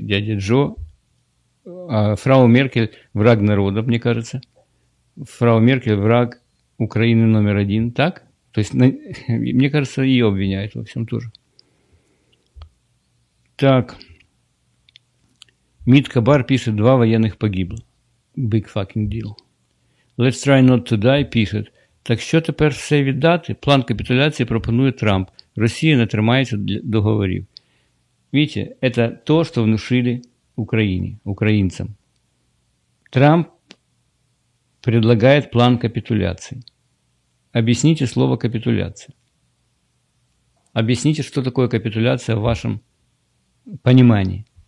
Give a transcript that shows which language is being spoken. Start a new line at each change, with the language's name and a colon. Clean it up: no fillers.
Russian: Дядя Джо, а фрау Меркель враг народа, мне кажется. Фрау Меркель враг Украины номер один, так? То есть, мне кажется, ее обвиняют во всем тоже. Так, Митка Бар пишет, два военных погибло.
English: Big fucking deal. Let's try not to die,
Russian: пишет.
Ukrainian: Так що тепер все віддати? План капітуляції пропонує Трамп. Росія не тримається договорів.
Russian: Видите, это то, что внушили Украине, украинцам. Трамп предлагает план капитуляции. Объясните слово капитуляция. Объясните, что такое капитуляция в вашем понимании.